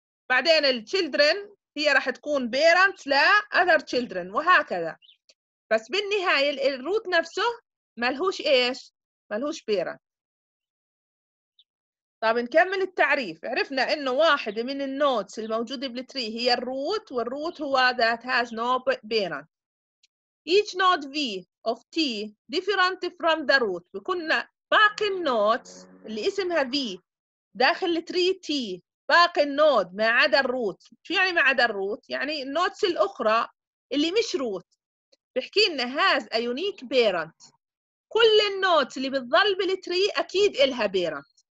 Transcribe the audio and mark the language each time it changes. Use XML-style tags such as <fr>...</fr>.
<ar>بعدين الchildren هي راح تكون parents لا</ar> <en>other children</en> <ar>وهكذا. بس بالنهاية الروت نفسه ملهوش إيش؟ ملهوش parent. طب نكمل التعريف. عرفنا إنه واحدة من النوتس الموجودة بالتري هي الروت والروت هو</ar> <en>that has no parent. Each node V of T different from the root.</en> <ar>بكون باقي النوتس اللي اسمها V داخل التري T باقي النود ما عدا الروت. شو يعني ما عدا الروت؟ يعني النودس الأخرى اللي مش روت بحكي لنا</ar> <en>has a unique parent.</en> <ar>كل النودس اللي بتظل بالتري أكيد إلها parent.</ar>